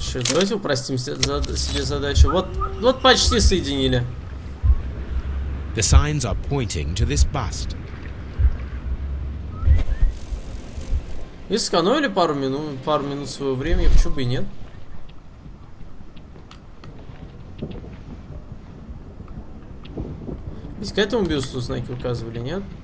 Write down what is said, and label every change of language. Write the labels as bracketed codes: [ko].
[ru] Давайте упростим себе задачу. Вот почти соединили. [en] The signs are pointing to this bust. [ru] И сэкономили пару минут своего времени, почему бы и нет? Ведь к этому бюсту знаки указывали, нет?